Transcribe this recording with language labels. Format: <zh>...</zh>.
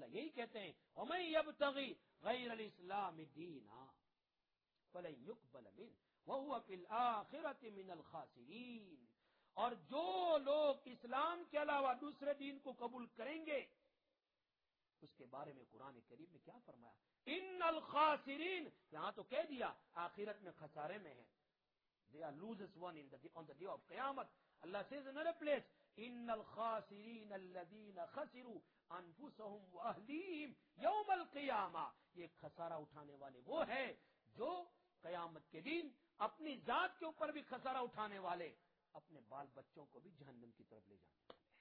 <ur>اللہ یہی کہتے ہیں</ur> <ar>وَمَنْ يَبْتَغِ غَيْرَ الْإِسْلَامِ دِينًا فَلَنْ يُقْبَلَ مِنْهُ وَهُوَ فِي الْآخِرَةِ مِنَ الْخَاسِرِينَ,</ar> <ur>اور جو لوگ اسلام کے علاوہ دوسرے دین کو قبول کریں گے اس کے بارے میں قرآن کریم میں کیا فرمایا,</ur> <ar>اِنَّ الْخَاسِرِينَ,</ar> <ur>یہاں تو کہہ دیا آخرت میں خسارے میں ہیں.</ur> <en>They are losers one on the day of قیامت. Allah says in another place,</en> <ar>اِنَّ الْخَاسِرِينَ الَّذِينَ خَسِرُوا انفسهم واهليهم يوم القيامه,</ar> <ur>یہ خسارہ اٹھانے والے وہ ہے جو قیامت کے دن اپنی ذات کے اوپر بھی خسارہ اٹھانے والے, اپنے بال بچوں کو بھی جہنم کی طرف لے جانے والے.</ur>